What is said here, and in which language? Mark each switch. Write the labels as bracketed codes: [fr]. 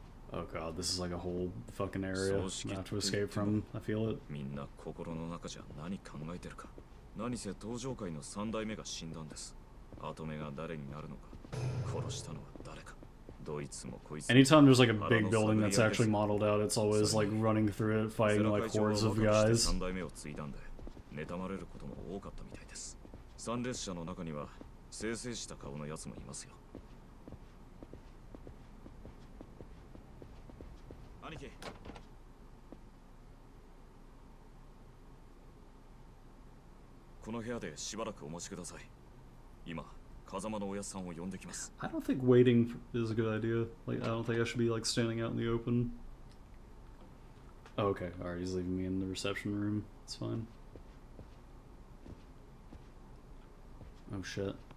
[en] Oh god, this is like a whole fucking area not to escape from. I feel it. [ja] Minna kokoro no naka ja nani kangaeteru ka 何せ登場界の三代目が死んだんです。後目が誰になるのか。殺したのは誰か。どいつもこいつも。 [en] Anytime there's like a big building that's actually modeled out, it's always like running through it, fighting like hordes of guys. [ja] 三代目を継いだんで、妬まれることも多かったみたいです。参列者の中には、清々した顔のやつもいますよ。兄貴。この部屋でしばらくお待ちください。今、風間のおやさんを呼んできます。 [en] I don't think waiting is a good idea. Like, I don't think I should be like standing out in the open. Oh, okay, alright, he's leaving me in the reception room. It's fine. Oh shit.